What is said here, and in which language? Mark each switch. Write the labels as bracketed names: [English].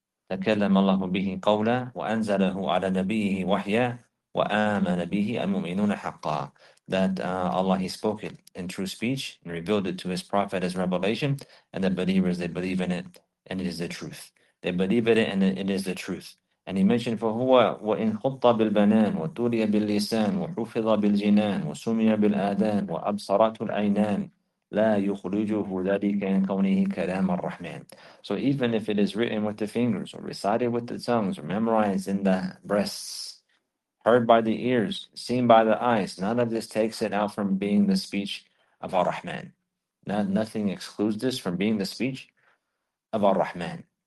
[Arabic] تَكَلَّمَ اللَّهُ بِهِ قَوْلًا وَأَنزَلَهُ عَلَى نَبِيِّهِ وَحْيًا وَآمَنَ بِهِ الْمُؤْمِنُونَ حَقًّا. [English] That Allah, He spoke it in true speech and revealed it to His Prophet as revelation, and the believers, they believe in it and it is the truth. They believe in it and it is the truth. And he mentioned, [Arabic] فَهُوَ وَإِنْ خُطَّ بِالْبَنَانِ وَتُولِيَ بِاللِّسَانِ وَحُفِظَ بِالْجِنَانِ وَسُمِيَ بِالْآذَانِ وَأَبْصَرَتُ الْعَيْنَانِ لَا يُخْرِجُهُ ذَلِكَ إِنْ كَوْنِهِ كَلَامَ الرَّحْمَنِ. [English] So even if it is written with the fingers or recited with the tongues or memorized in the breasts, heard by the ears, seen by the eyes, none of this takes it out from being the speech of Ar-Rahman. Nothing excludes this from being the speech of Ar-Rahman.